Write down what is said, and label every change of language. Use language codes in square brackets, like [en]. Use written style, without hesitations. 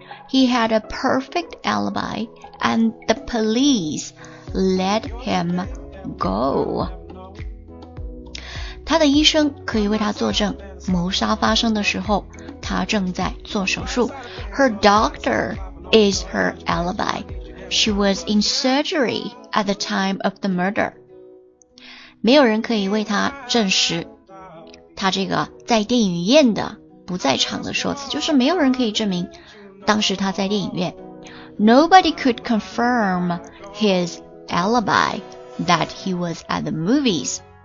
[en] He had a perfect alibi and the police let him go, [zh] 他的医生可以为他作证，谋杀发生的时候她正在做手术。 [en] Her doctor is her alibi. She was in surgery at the time of the murder. [zh] 没有人可以为她证实她这个在电影院的不在场的说辞，就是没有人可以证明当时她在电影院。 [en] Nobody could confirm his alibi that he was at the movies.